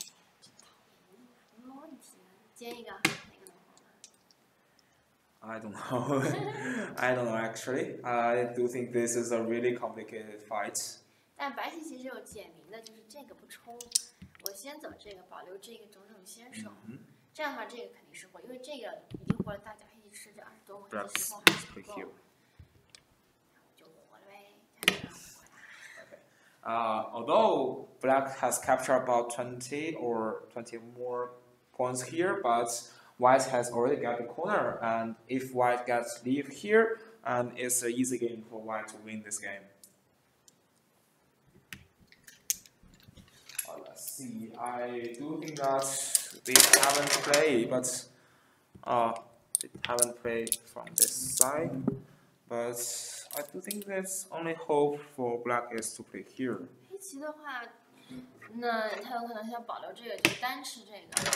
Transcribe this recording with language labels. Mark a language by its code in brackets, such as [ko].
[zh] 这讨厌，没问题，接一个，哪个能好吗？ [en] I don't know actually. I do think this is a really complicated fight. [zh] 但白棋其实有解谜的，就是这个不冲，我先走这个，保留这个种种先手。嗯，这样的话，这个肯定是活，因为这个已经活了大家。吃这20多目之后还是不够，就活了呗。 [en] Although black has captured about 20 or 20 more points here, but white has already got the corner. And if white gets leave here, and it's an easy game for white to win this game. Well, let's see. I do think that they haven't played, but They haven't played from this side, but I do think that's only hope for black is to play here. [zh] 黑棋的话，那他有可能想保留这个，就单吃这个。